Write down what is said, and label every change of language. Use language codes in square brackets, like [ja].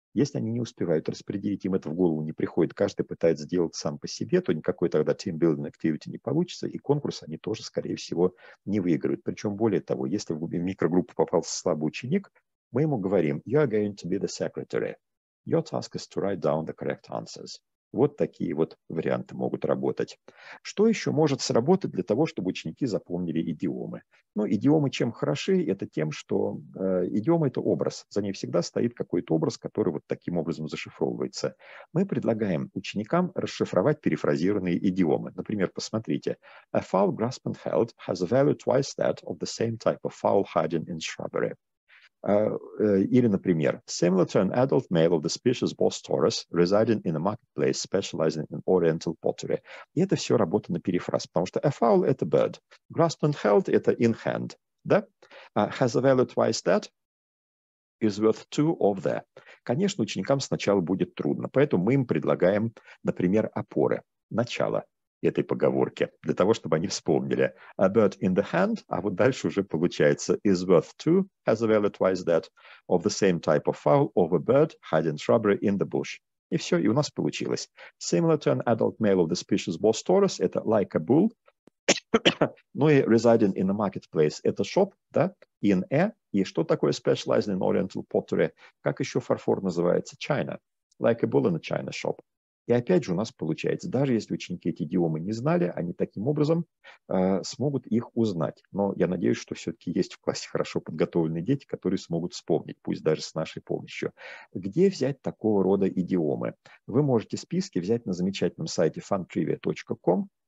[ru] Если они не успевают распределить, им это в голову не приходит, каждый пытается делать сам по себе, то никакой тогда team-building activity не получится, и конкурс они тоже, скорее всего, не выиграют. Причем более того, если в микрогруппу попался слабый ученик, мы ему говорим, [en] you are going to be the secretary. Your task is to write down the correct answers. [ru] Вот такие вот варианты могут работать. Что еще может сработать для того, чтобы ученики запомнили идиомы? Ну, идиомы чем хороши? Это тем, что идиома – это образ. За ней всегда стоит какой-то образ, который вот таким образом зашифровывается. Мы предлагаем ученикам расшифровать перефразированные идиомы. Например, посмотрите. [en] A foul grass and held has a value twice that of the same type of foul hiding in shrubbery. [ru] Или, например, [en] similar to an adult male of the species Bostaurus, residing in a marketplace specializing in oriental pottery. [ru] И это все работа на перефраз, потому что a fowl – это bird. [en] Grasped and held – это in hand. [ru] Да? [en] Has a value twice that is worth two of the. [ru] Конечно, ученикам сначала будет трудно, поэтому мы им предлагаем, например, опоры, начало этой поговорки, для того, чтобы они вспомнили. [en] A bird in the hand, [ru] а вот дальше уже получается, [en] is worth two, has a value twice that, of the same type of fowl, of a bird, hiding shrubbery in the bush. [ru] И все, и у нас получилось. [en] Similar to an adult male of the species Bostaurus, это like a bull, ну и residing in a marketplace, это shop, да, in a, и что такое specialized in oriental pottery, [ru] как еще фарфор называется, [en] china, like a bull in a china shop. [ru] И опять же у нас получается, даже если ученики эти идиомы не знали, они таким образом смогут их узнать. Но я надеюсь, что все-таки есть в классе хорошо подготовленные дети, которые смогут вспомнить, пусть даже с нашей помощью. Где взять такого рода идиомы? Вы можете списки взять на замечательном сайте funtrivia.com.